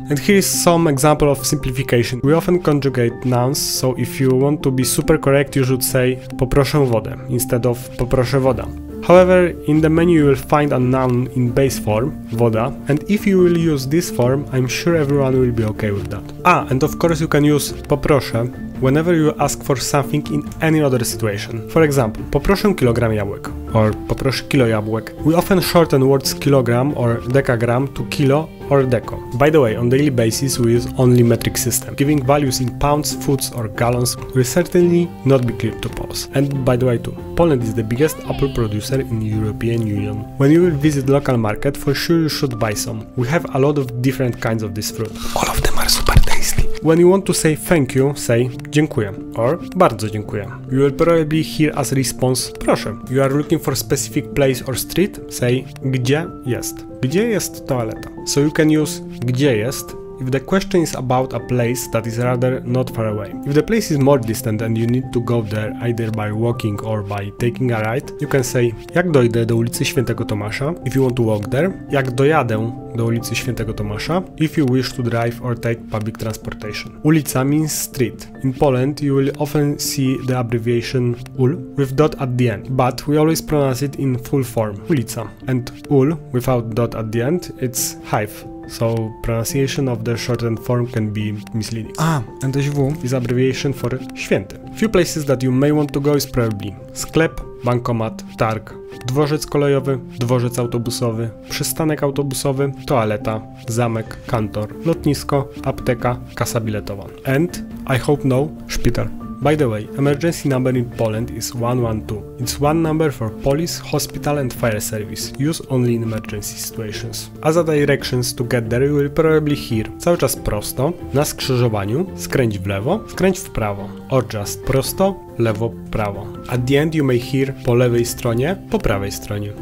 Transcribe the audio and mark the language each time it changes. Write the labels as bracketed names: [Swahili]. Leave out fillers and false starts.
[English] And here is some example of simplification. We often conjugate nouns, so if you want to be super correct, you should say [Polish] poproszę wodę [English] instead of [Polish] poproszę woda. [English] However, in the menu you will find a noun in base form, woda, and if you will use this form, I'm sure everyone will be okay with that. Ah, and of course you can use poproszę whenever you ask for something in any other situation. For example, [Polish] poproszę kilogram jabłek or poproszę kilo jabłek. [English] We often shorten words kilogram or dekagram to kilo or deko. By the way, on daily basis we use only metric system. Giving values in pounds, foods or gallons will certainly not be clear to Poles. And by the way too, Poland is the biggest apple producer in the European Union. When you will visit local market, for sure you should buy some. We have a lot of different kinds of this fruit. All of them are super tasty. When you want to say thank you, say dziękuję or [Polish] bardzo dziękuję. [English] You will probably hear as response proszę. You are looking for specific place or street, say [Polish] gdzie jest. Gdzie jest toaleta? [English] So you can use [Polish] gdzie jest [English] if the question is about a place that is rather not far away. If the place is more distant and you need to go there either by walking or by taking a ride, you can say [Polish] jak dojdę do ulicy Świętego Tomasza [English] if you want to walk there, [Polish] jak dojadę do ulicy Świętego Tomasza [English] if you wish to drive or take public transportation. Ulica means street. In Poland you will often see the abbreviation ul with dot at the end, but we always pronounce it in full form ulica, and ul without dot at the end it's hive. So pronunciation of the shortened form can be misleading. Ah, and SW is abbreviation for święty. Few places that you may want to go is probably [Polish] sklep, bankomat, targ, dworzec kolejowy, dworzec autobusowy, przystanek autobusowy, toaleta, zamek, kantor, lotnisko, apteka, kasa biletowa. [English] And I hope no, szpital. By the way, emergency number in Poland is 112. It's one number for police, hospital and fire service, used only in emergency situations. As a directions to get there, you will probably hear [Polish] cały czas prosto, na skrzyżowaniu, skręć w lewo, skręć w prawo, [English] or just [Polish] prosto, lewo, prawo. [English] At the end you may hear [Polish] po lewej stronie, po prawej stronie.